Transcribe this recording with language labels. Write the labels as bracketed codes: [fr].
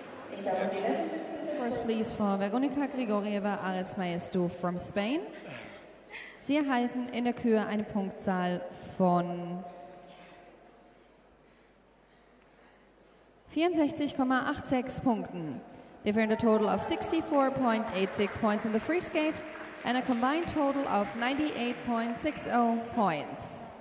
[en] This course, please, for Veronika Grigorieva, Arez Maestu from Spain. [de] Sie erhalten in der Kür eine Punktzahl von 64,86 Punkten. [en] They earned a total of 64.86 points in the free skate and a combined total of 98.60 points.